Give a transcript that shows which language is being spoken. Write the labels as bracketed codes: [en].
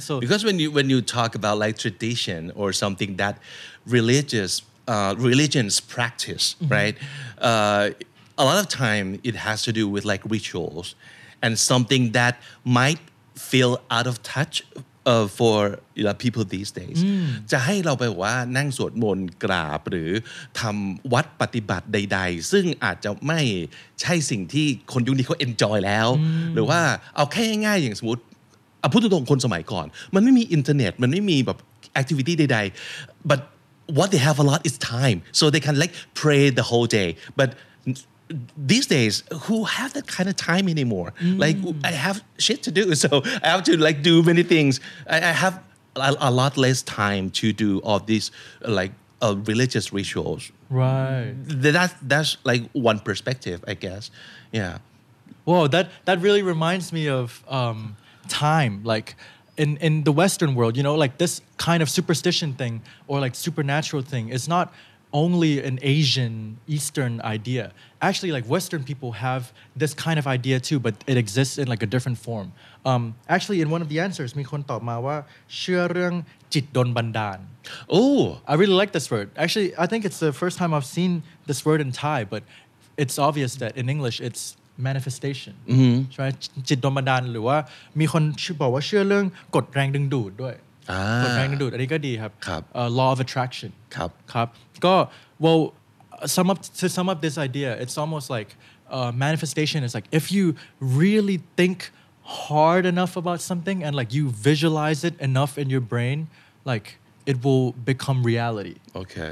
[en] So because when you talk about like tradition or something that religions practice, right? A lot of time it has to do with like rituals. And something that might feel out of touch for you know, people these days. [th] จะให้เราไปว่านั่งสวดมนต์กราบหรือทำวัดปฏิบัติใดๆซึ่งอาจจะไม่ใช่สิ่งที่คนยุคนี้เขา enjoy แล้วหรือว่าเอาแค่ง่ายๆอย่างสมมติ พูดตรงๆคนสมัยก่อนมันไม่มีอินเทอร์เน็ตมันไม่มีแบบแอคทิวิตี้ใดๆ [en] but what they have a lot is time so they can like pray the whole day butThese days, who have that kind of time anymore? Mm. Like, I have shit to do, so I have to like do many things. I have a lot less time to do all these like religious rituals. Right. That's like one perspective, I guess. Yeah. Whoa, that really reminds me of time. Like in the Western world, you know, like this kind of superstition thing or like supernatural thing is not. Only an Asian Eastern idea. Actually, like Western people have this kind of idea too, but it exists in like a different form. Actually, in one of the answers, [th] มีคนตอบมาว่าเชื่อเรื่องจิตโดนบันดาล [en] Oh, I really like this word. Actually, I think it's the first time I've seen this word in Thai, but it's obvious that in English it's manifestation. Mm-hmm. [th] ใช่ไหมจิตโดนบันดาลหรือว่ามีคนบอกว่าเชื่อเรื่องกฎแรงดึงดูดด้วยอันนี้ก็ดีครับ [en] law of attraction [th] ครับ ครับก็ [en] well to sum up this idea it's almost like manifestation is like if you really think hard enough about something and like you visualize it enough in your brain like it will become reality okay